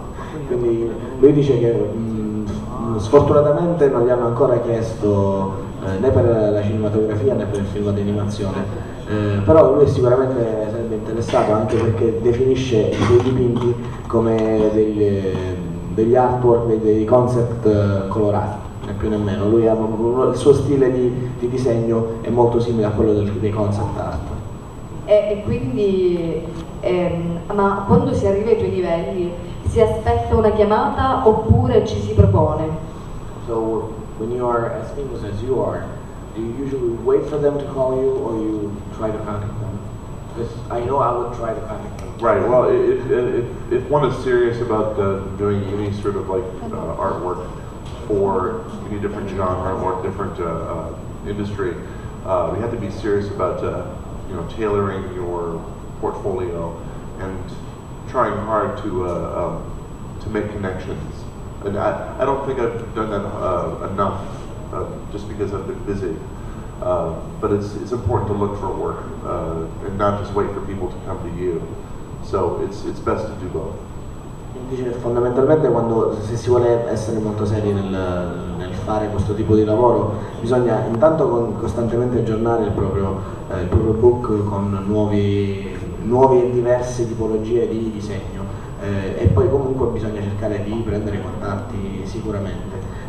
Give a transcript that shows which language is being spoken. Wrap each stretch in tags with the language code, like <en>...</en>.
<it>Quindi lui dice che sfortunatamente non gli hanno ancora chiesto né per la cinematografia né per il film d'animazione, però lui sicuramente sarebbe interessato, anche perché definisce i suoi dipinti come degli artwork, dei concept colorati. Più nemmeno, lui ha il suo stile di disegno è molto simile a quello dei concept art. E quindi, ma quando si arriva ai tuoi livelli, si aspetta una chiamata oppure ci si propone?</it> <en>So, when you are as famous as you are, do you usually wait for them to call you or you try to contact them? Because I know I would try to contact them. Right, well, if one is serious about doing any sort of artwork, or any different genre or different industry, we have to be serious about tailoring your portfolio and trying hard to make connections. And I don't think I've done that enough, just because I've been busy. But it's important to look for work and not just wait for people to come to you. So it's best to do both.</en> <it>Dice fondamentalmente quando se si vuole essere molto seri nel fare questo tipo di lavoro bisogna intanto costantemente aggiornare il proprio book con nuovi e diverse tipologie di disegno e poi comunque bisogna cercare di prendere contatti sicuramente.</it>